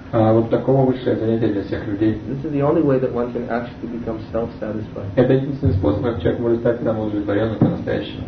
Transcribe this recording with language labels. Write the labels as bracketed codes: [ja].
[ru] Вот такого высшее занятие для всех людей. [en] This is the only way that one can actually become self-satisfied. [ru] Это единственный способ, как человек может стать самоудовлетворенным по-настоящему.